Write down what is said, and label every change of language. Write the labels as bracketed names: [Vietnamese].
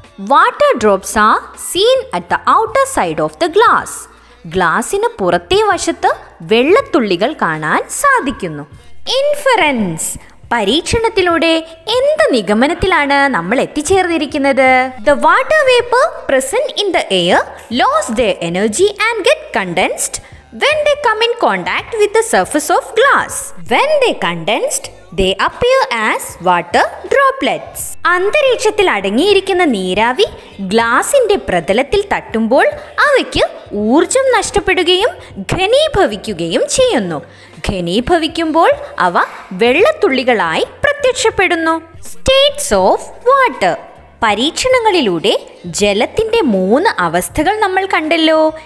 [English] Water drops are seen at the outer side of the glass. [Malayalam] ഗ്ലാസിന് പുറത്തെ വശത്ത് വെള്ളത്തുള്ളികൾ കാണാൻ സാധിക്കുന്നു. ഇൻഫറൻസ്, പരീക്ഷണത്തിലൂടെ എന്ത് നിഗമനത്തിലാണ് നമ്മൾ എത്തിച്ചേർന്നിരിക്കുന്നത്? [English] The water vapor present in the air lost their energy and get condensed when they come in contact with the surface of glass. When they condensed, they appear as water droplets. [Malayalam] അന്തരീക്ഷത്തിൽ അടങ്ങിയിരിക്കുന്ന നീരാവി ഗ്ലാസിന്റെ പ്രതലത്തിൽ തട്ടുമ്പോൾ അവയ്ക്ക് ഊർജം നഷ്ടപ്പെടുകയും ഘനീഭവിക്കുകയും ചെയ്യുന്നു. ഘനീഭവിക്കുമ്പോൾ അവ വെള്ളത്തുള്ളികളായി പ്രത്യക്ഷപ്പെടുന്നു. States of water. പരീക്ഷണങ്ങളിലൂടെ ജലത്തിന്റെ 3 അവസ്ഥകൾ നമ്മൾ കണ്ടല്ലോ.